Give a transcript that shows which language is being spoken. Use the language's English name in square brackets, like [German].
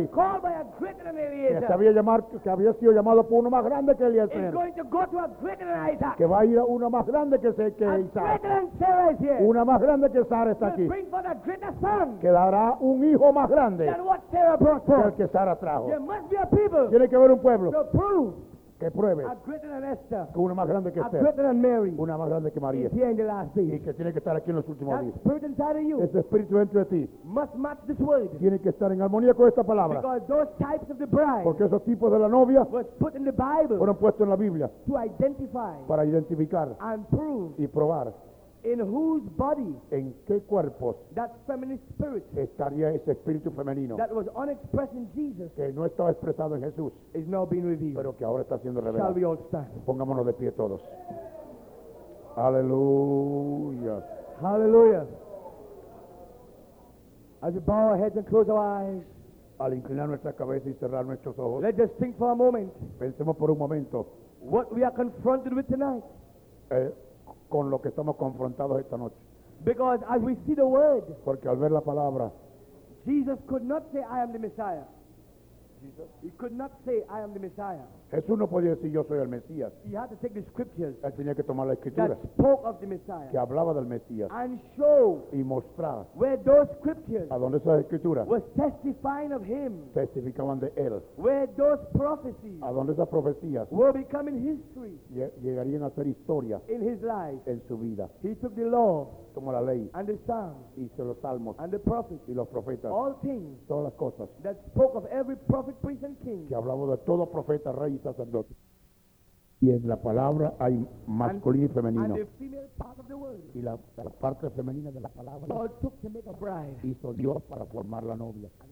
[English] Was called by a greater than Eliezer. [Spanish] Que había sido llamado por uno más grande que Eliezer. [English] Is going to go to a greater than Isaac. [Spanish] Que va a ir a uno más grande que Isaac. [English] And greater than Sarah. [Spanish] Una más grande que Sara está aquí. Quedará un hijo más grande que el que Sara trajo. Tiene que haber un pueblo que pruebe que una más grande que Esther, una más grande que María, y que tiene que estar aquí en los últimos días. Ese espíritu dentro de ti tiene que estar en armonía con esta palabra, porque esos tipos de la novia fueron puestos en la Biblia para identificar y probar. [English] In whose body? [Spanish] ¿En qué cuerpos? [English] That feminine spirit. [Spanish] Estaría ese espíritu femenino. [English] That was unexpressed in Jesus. [Spanish] Que no estaba expresado en Jesús. [English] Is now being revealed. [Spanish] Pero que ahora está siendo revelado. [English] Shall we all stand? [Spanish] Pongámonos de pie todos. Aleluya. [English] Hallelujah. As we bow our heads and close our eyes. [Spanish] Al inclinar nuestra cabeza y cerrar nuestros ojos. [English] Let us think for a moment. [Spanish] Pensemos por un momento. [English] What we are confronted with tonight. [Spanish] Con lo que estamos confrontados esta noche. [English] Because as we see the word, [Spanish] porque al ver la palabra, [English] Jesus could not say I am the Messiah. Jesus, he could not say I am the Messiah. [Spanish] Jesús no podía decir yo soy el Mesías. [English] He had to take the scriptures. [Spanish] Él tenía que tomar la escritura. [English] That spoke of the Messiah. [Spanish] Que hablaba del Mesías. [English] And show. [Spanish] Y mostrar. [English] Where those scriptures. [Spanish] A donde esas escrituras. [English] Were testifying of him. [Spanish] Testificaban de él. [English] Where those prophecies. [Spanish] A donde esas profecías. [English] Were becoming history. [Spanish] Llegarían a ser historia. [English] In his life. [Spanish] En su vida. [English] He took the law. [Spanish] Tomó la ley. [English] And the psalms. [Spanish] Y se los salmos. [English] And the prophets. [Spanish] Y los profetas. [English] All things. [Spanish] Todas las cosas. [English] That spoke of every prophet, priest, and king. [Spanish] Que hablaba de todo profeta, rey. Y en la palabra hay masculino y femenino. Y la parte femenina de la palabra hizo Dios para formar la novia.